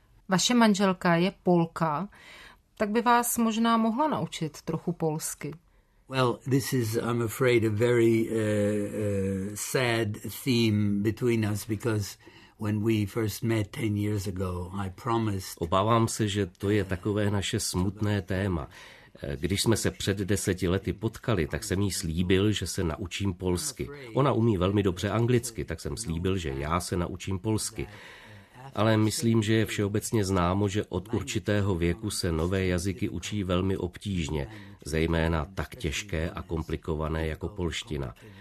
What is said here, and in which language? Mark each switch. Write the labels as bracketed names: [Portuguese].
[Czech] Vaše manželka je Polka, tak by vás možná mohla naučit trochu polsky. [English] Well, this is, I'm afraid, a very sad theme between us because when we first met 10 years ago, I promised. [Czech] Obávám se, že to je takové naše smutné téma. Když jsme se před 10 lety potkali, tak jsem jí slíbil, že se naučím polsky. Ona umí velmi dobře anglicky, tak jsem slíbil, že já se naučím polsky. Ale myslím, že je všeobecně známo, že od určitého věku se nové jazyky učí velmi obtížně, zejména tak těžké a komplikované jako polština.